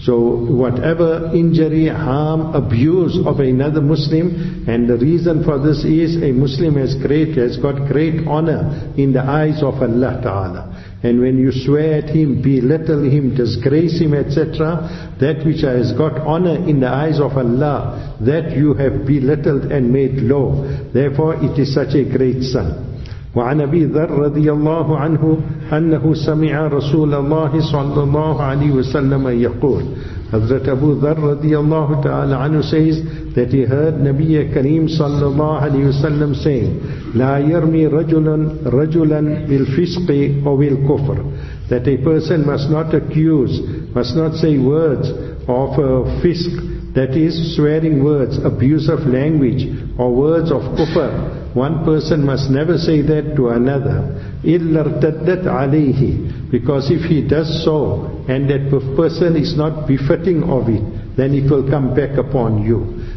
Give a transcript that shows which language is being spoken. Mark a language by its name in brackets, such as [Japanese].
[English] So whatever injury, harm, abuse of another Muslim, and the reason for this is a Muslim has got great honor in the eyes of Allah Ta'ala. And when you swear at him, belittle him, disgrace him, etc., that which has got honor in the eyes of Allah, that you have belittled and made low. Therefore, it is such a great sin. [Arabic] وعن أبي ذر رضي الله عنه أنه سمع رسول الله صلى الله عليه وسلم يقول. Hazrat Abu Dharr رضي الله تعالى عنه [English] says that he heard [Arabic] نبي كريم صلى الله عليه وسلم [English] saying [Arabic] لا يرمي رجلا بالفسق أو بالكفر. [English] That a person must not accuse, must not say words of fisq, that is swearing words, abuse of language, or words of kufr. One person must never say that to another. [Arabic] إِلَّا ارْتَدَّتْ عَلَيْهِ. [English] Because if he does so, and that person is not befitting of it, then it will come back upon you.